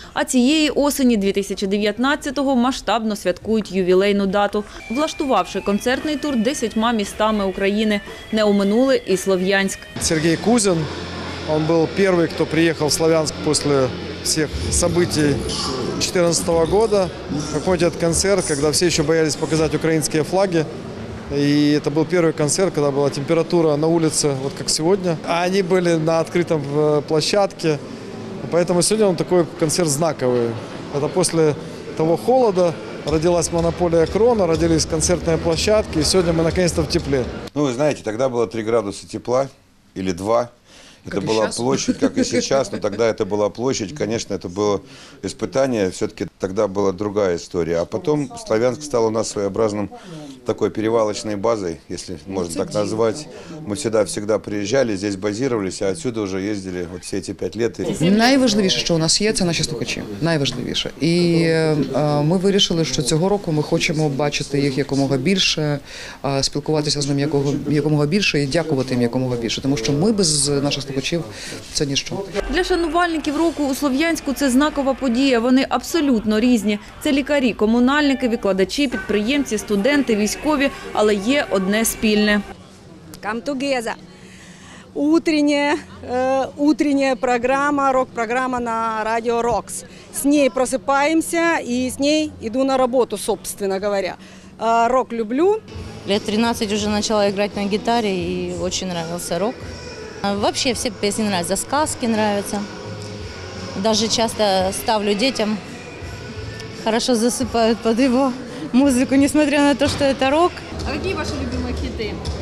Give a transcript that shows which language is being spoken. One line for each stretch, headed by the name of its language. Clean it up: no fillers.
Ukrainian: А цієї осені 2019-го масштабно святкують ювілейну дату, влаштувавши концертний тур 10 містами України. Не оминули і Слов'янськ. Сергій Кузін, він був перший, хто приїхав в Слов'янськ після
Russian: всех событий 2014 года. Как помните, этот концерт, когда все еще боялись показать украинские флаги. И это был первый концерт, когда была температура на улице, вот как сегодня. А они были на открытом площадке. Поэтому сегодня он такой концерт знаковый. Это после того холода родилась монополия Крона, родились концертные площадки. И сегодня мы наконец-то в тепле. Ну, вы знаете, тогда было 3 градуса тепла или 2. Это была площадь, как и сейчас, но тогда это была площадь. Конечно, это было испытание, все-таки тогда была другая история. А потом Славянск стал у нас своеобразным такой перевалочной базой, если можно так назвать. Мы всегда приезжали, здесь базировались, а отсюда уже ездили вот все эти 5 лет.
Ukrainian: Найважливіше, що у нас є, це наші слухачі. Найважливіше. І ми вирішили, що цього року ми хочемо бачити їх якомога більше, спілкуватися з ними якомога більше і дякувати їм якомога більше. Тому що ми без наших слухачів це ніщо. Для шанувальників року у Слов'янську це знакова подія. Вони абсолютно різні. Це лікарі, комунальники, викладачі, підприємці, студенти, військові, але є одне спільне.
English: Come together.
Ukrainian: Утрення програма, рок-програма на радіо Рокс. З неї просипаємося і з неї йду на роботу,
Russian: собственно говоря.
Ukrainian: Рок люблю. Лет 13 вже почала грати на гітарі і дуже нравився рок.
Russian: Вообще все песни нравятся, сказки нравятся. Даже часто ставлю детям, хорошо засыпают под его музыку, несмотря на то, что это рок. А какие ваши любимые хиты?